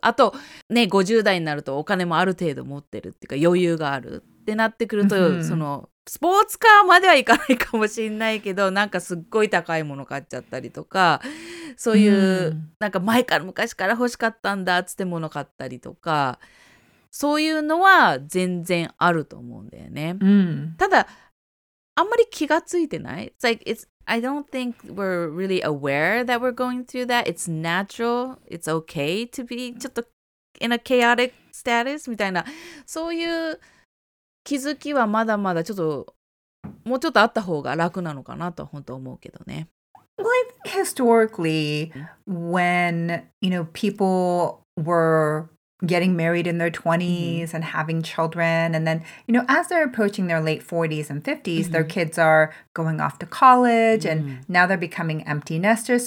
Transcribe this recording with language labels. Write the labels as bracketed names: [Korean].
[Japanese] あとね、50代になるとお金もある程度持ってるっていうか余裕があるってなってくると、そのスポーツカーまではいかないかもしれないけど、なんかすっごい高いもの買っちゃったりとか、そういうなんか前から昔から欲しかったんだっつってもの買ったりとか、そういうのは全然あると思うんだよね。ただあんまり気がついてない? [English] It's like, I don't think we're really aware that we're going through that. It's natural. It's okay to be ちょっと in a chaotic status みたいな。 [Japanese] そういう気づきはまだまだちょっともうちょっとあった方が楽なのかなと本当思うけどね。 [English] Well, I think historically, when, you know, people were... getting married in their 20s、mm-hmm. and having children. And then, you know, as they're approaching their late 40s and 50s,、mm-hmm. their kids are going off to college、mm-hmm. and now they're becoming empty nesters.